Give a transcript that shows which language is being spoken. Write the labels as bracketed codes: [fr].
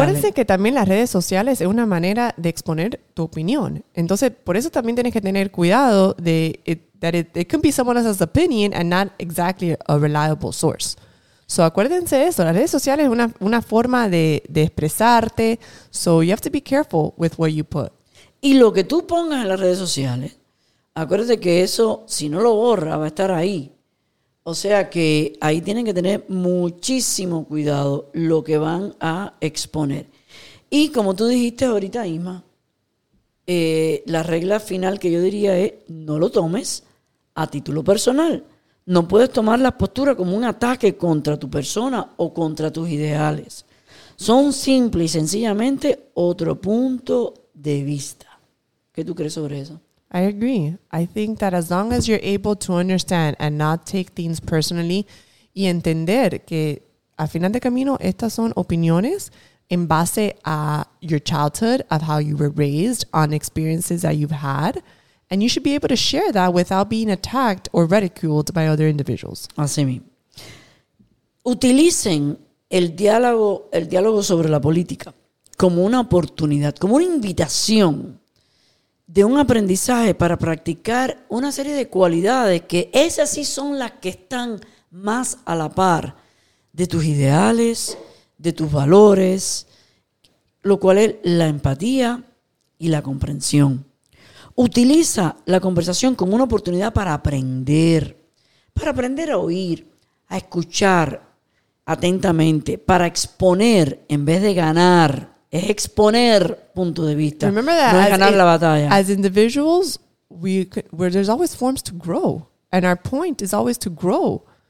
[es] Acuérdense que también las redes sociales es una manera de exponer tu opinión. Entonces, por eso también tienes que tener cuidado de [en] that it can be someone else's opinion and not exactly a reliable source. [es] So, acuérdense de eso. Las redes sociales es una forma de expresarte. [en] So, you have to be careful with what you put. [es] Y lo que tú pongas en las redes sociales, acuérdate que eso, si no lo borra, va a estar ahí. O sea que ahí tienen que tener muchísimo cuidado lo que van a exponer. Y como tú dijiste ahorita, Isma, la regla final que yo diría es no lo tomes a título personal. No puedes tomar la postura como un ataque contra tu persona o contra tus ideales. Son simple y sencillamente otro punto de vista. ¿Qué tú crees sobre eso? [en] I agree. I think that as long as you're able to understand and not take things personally [es] y entender que al final de camino estas son opiniones en base a [en] your childhood, of how you were raised, on experiences that you've had, and you should be able to share that without being attacked or ridiculed by other individuals. [es] Así mismo. Utilicen el diálogo sobre la política como una oportunidad, como una invitación de un aprendizaje para practicar una serie de cualidades que esas sí son las que están más a la par de tus ideales, de tus valores, lo cual es la empatía y la comprensión. Utiliza la conversación como una oportunidad para aprender a oír, a escuchar atentamente, para exponer en vez de ganar. Es exponer punto de vista. [en] Remember that, [es] no es ganar la batalla. [en] As individuals, where there's always forms to grow, and our point is always to grow.